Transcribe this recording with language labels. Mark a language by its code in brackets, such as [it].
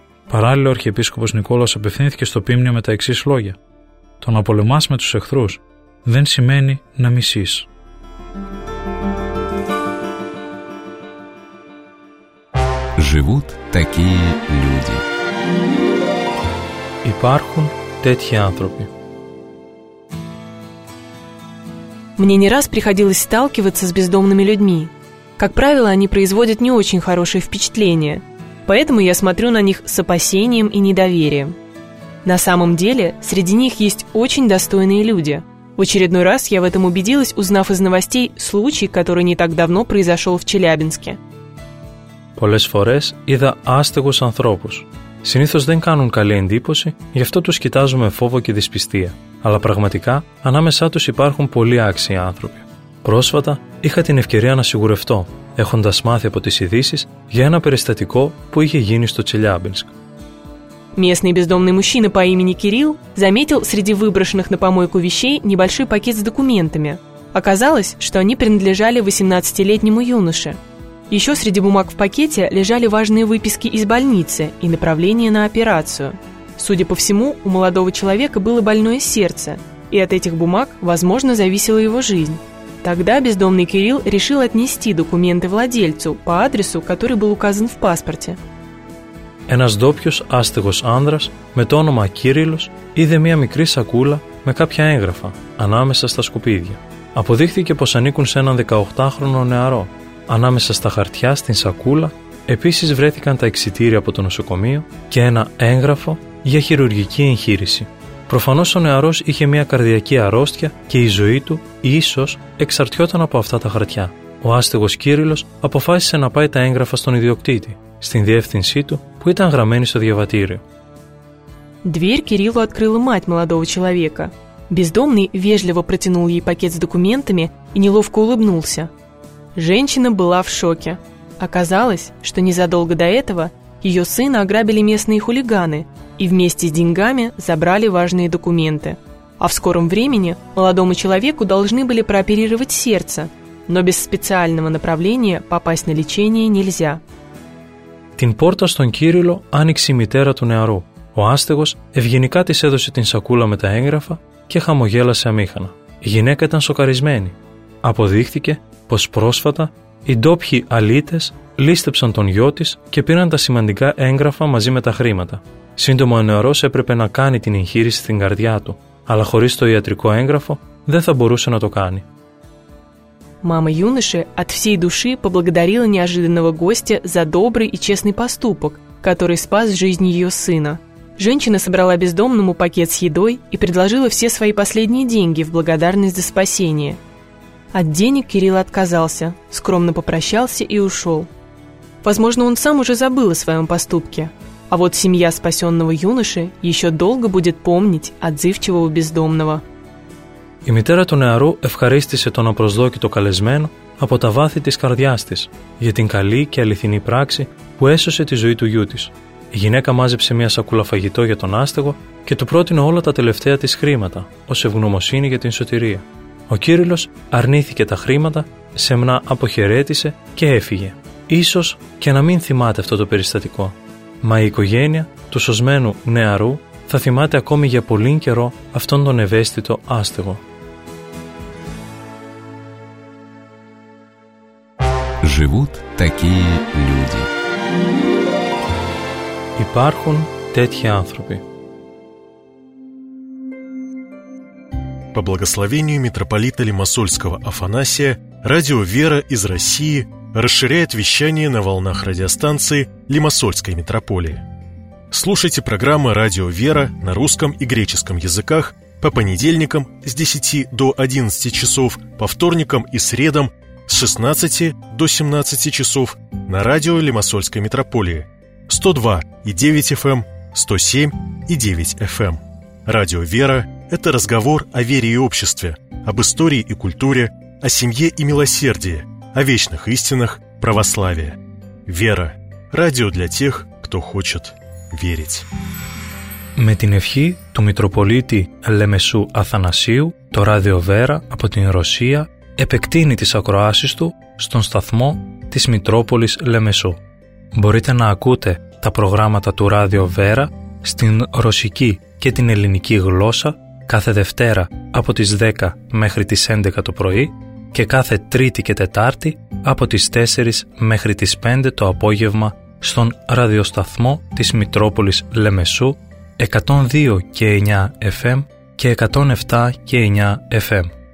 [el] Παράλληλα, ο αρχιεπίσκοπος Νικόλαος απευθύνθηκε στο πίμνιο με τα εξής λόγια: «Το να πολεμάς με τους εχθρούς δεν σημαίνει να μισείς». [ru] Живут такие люди. [el] Υπάρχουν τέτοιοι άνθρωποι. [ru] Мне не раз приходилось сталкиваться с бездомными людьми. Как правило, они производят не очень хорошее впечатление. Поэтому я смотрю на них с опасением и недоверием. На самом деле, среди них есть очень достойные люди. В очередной раз я в этом убедилась, узнав из новостей случай, который не так давно произошел в Челябинске. [el] Πολλές φορές είδα άστεγους ανθρώπους. Συνήθως δεν κάνουν καλή εντύπωση, γι' αυτό τους κοιτάζω με φόβο και δυσπιστία. Αλλά πραγματικά, ανάμεσά τους υπάρχουν πολύ άξιοι άνθρωποι. Πρόσφατα, είχα την ευκαιρία να σιγουρευτώ, έχοντας μάθει από τις ειδήσεις για ένα περιστατικό που είχε γίνει στο Τσελιάμπινσκ. [ru] Местный бездомный мужчина по имени Кирилл заметил среди выброшенных на помойку вещей небольшой пакет с документами. Оказалось, что они принадлежали 18-летнему юноше. Еще среди бумаг в пакете лежали важные выписки из больницы и направление на операцию. Судя по всему, у молодого человека было больное сердце, и от этих бумаг, возможно, зависела его жизнь. Тогда бездомный Кирилл решил отнести документы владельцу по адресу, который был указан в паспорте. [el] Ένας ντόπιος άστεγος άνδρας με το όνομα Κύριλλος είδε μία μικρή σακούλα με κάποια έγγραφα ανάμεσα στα σκουπίδια. Αποδείχθηκε πως ανήκουν σε έναν 18χρονο νεαρό. Ανάμεσα στα χαρτιά στην σακούλα επίσης βρέθηκαν τα εισιτήρια από το νοσοκομείο και ένα έγγραφο για χειρουργική εγχείρηση. Προφανώς ο νεαρός είχε μία καρδιακή αρρώστια και η ζωή του ίσως εξαρτιόταν από αυτά τα χαρτιά. Ο άστεγος Κύριλλος αποφάσισε να πάει τα έγγραφα στον ιδιοκτήτη, στην διεύθυνσή του που ήταν γραμμένη στο διαβατήριο. [ru] Дверь Кириллу открыла мать молодого человека. Бездомный вежливо протянул ей пакет с документами и неловко улыбнулся. Женщина была в шоке. Оказалось, что незадолго до этого ее сына ограбили местные хулиганы и вместе с деньгами забрали важные документы. А в скором времени молодому человеку должны были прооперировать сердце, но без специального направления попасть на лечение нельзя. [el] Την πόρτα στον Κύριλλο άνοιξε η μητέρα του νεαρού. Ο άστεγος ευγενικά της έδωσε την σακούλα με τα έγγραφα και χαμογέλασε αμήχανα. Η γυναίκα ήταν σοκαρισμένη. Αποδείχθηκε πως πρόσφατα οι ντόπιοι αλήτες λίστεψαν τον γιο της και πήραν τα σημαντικά έγγραφα μαζί με τα χρήματα. Σύντομα ο νεαρός έπρεπε να κάνει την εγχείρηση στην καρδιά του, αλλά χωρίς το ιατρικό έγγραφο δεν θα μπορούσε να το κάνει. [ru] Мама юноши от всей души поблагодарила неожиданного гостя за добрый и честный поступок, который спас жизнь ее сына. Женщина собрала бездомному пакет с едой и предложила все свои последние деньги в благодарность за спасение. От денег Кирилл отказался, скромно попрощался и ушел. Возможно, он сам уже забыл о своем поступке. А вот семья спасенного юноши еще долго будет помнить отзывчивого бездомного. [el] Η μητέρα του νεαρού ευχαρίστησε τον απροσδόκητο καλεσμένο από τα βάθη της καρδιάς της για την καλή και αληθινή πράξη που έσωσε τη ζωή του γιού της. Η γυναίκα μάζεψε μια σακούλα φαγητό για τον άστεγο και του πρότεινε όλα τα τελευταία της χρήματα ως ευγνωμοσύνη για την σωτηρία. Ο Κύριλλος αρνήθηκε τα χρήματα, σεμνά αποχαιρέτησε και έφυγε. Ίσως και να μην θυμάται αυτό το περιστατικό. Μα η οικογένεια του σωσμένου νεαρού θα θυμάται ακόμη για πολύ καιρό αυτόν τον ευαίσθητο άστεγο. [ru] Живут такие люди. [el] Υπάρχουν τέτοιοι άνθρωποι. [ru] По благословению митрополита Лимассольского Афанасия, радио «Вера» из России расширяет вещание на волнах радиостанции Лимассольской митрополии. Слушайте программы «Радио Вера» на русском и греческом языках по понедельникам с 10 до 11 часов, по вторникам и средам с 16 до 17 часов на радио Лимассольской митрополии 102.9 FM, 107.9 FM. «Радио Вера» — это разговор о вере и обществе, об истории и культуре, о семье и милосердии, о вечных истинах православия. «Вера» — радио для тех, кто хочет верить. [el] Με την ευχή του Μητροπολίτη Λεμεσού Αθανασίου, το Ράδιο Βέρα από την Ρωσία επεκτείνει τις ακροάσεις του στον σταθμό της Μητρόπολης Λεμεσού. Μπορείτε να ακούτε τα προγράμματα του Ράδιο Βέρα στην ρωσική και την ελληνική γλώσσα κάθε Δευτέρα από τις 10 μέχρι τις 11 το πρωί και κάθε Τρίτη και Τετάρτη από τις 4 μέχρι τις 5 το απόγευμα στον ραδιοσταθμό της Μητρόπολης Λεμεσού 102 και 9 FM και 107 και 9 FM.